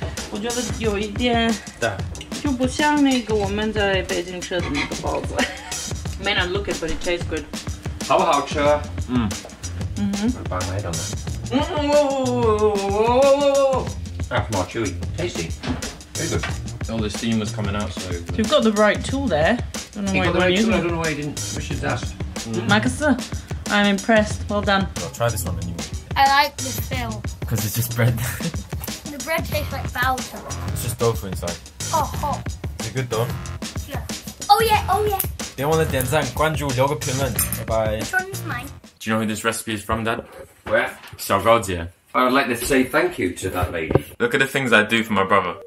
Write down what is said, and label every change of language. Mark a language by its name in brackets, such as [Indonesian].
[Chinese] 我觉得有一点就不像那个我们在北京吃的那个包子。 [English] May not look it, but it tastes good. [Chinese] 好不好吃？嗯。嗯哼。把麦等等。嗯哼。哇哇哇哇哇哇 [English] 哇。That's more chewy, tasty, very good. All the steam was coming out, so. You've got the right tool there. I don't know why using it. I don't know why you didn't push it out. Marcus, I'm impressed. Well done. I'll try this one anyway. I like the feel. Because it's just bread. Bread tastes like baozi. It's just tofu inside. Oh, hot. Is it good though? Yeah. Oh, yeah, oh, yeah. [Chinese] 别忘了点赞关注留个评论拜拜 [English] Do you know who this recipe is from dad? Where? [Chinese] 小高姐 [English] I would like to say thank you to that lady. Look at the things I do for my brother.